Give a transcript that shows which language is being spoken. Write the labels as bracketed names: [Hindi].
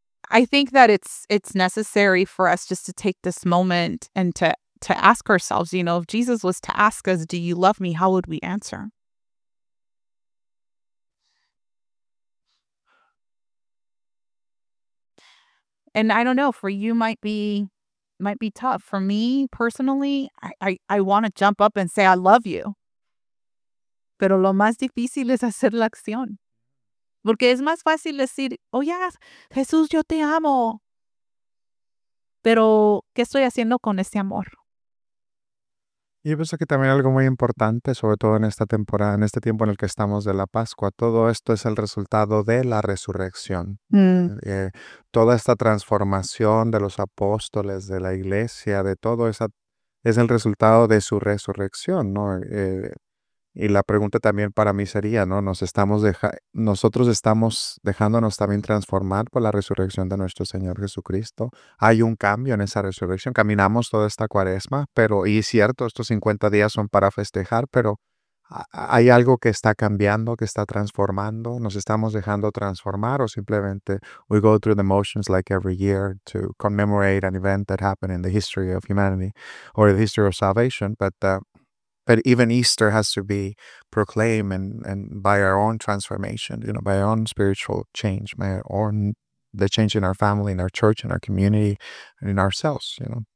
[English] I think that it's necessary for us just to take this moment and to ask ourselves, you know, if Jesus was to ask us, do you love me? How would we answer? And I don't know, for you might be tough. For me personally, I want to jump up and say, I love you. [Spanish] Pero lo más difícil es hacer la acción. Porque es más fácil decir, [English] oh, yeah, [Spanish] Jesús, yo te amo. Pero, ¿qué estoy haciendo con ese amor? Y yo pienso que también algo muy importante, sobre todo en esta temporada, en este tiempo en el que estamos de la Pascua, todo esto es el resultado de la resurrección. Mm. Toda esta transformación de los apóstoles, de la iglesia, de todo eso, es el resultado de su resurrección, ¿no? Y la pregunta también para mí sería, ¿no? ¿Nosotros estamos dejándonos también transformar por la resurrección de nuestro Señor Jesucristo? ¿Hay un cambio en esa resurrección? Caminamos toda esta cuaresma, pero, y cierto, estos 50 días son para festejar, pero ¿hay algo que está cambiando, que está transformando? ¿Nos estamos dejando transformar o simplemente [English] we go through the motions like every year to commemorate an event that happened in the history of humanity or the history of salvation, but even Easter has to be proclaimed and by our own transformation, you know, by our own spiritual change, by our own, the change in our family, in our church, in our community, and in ourselves, you know.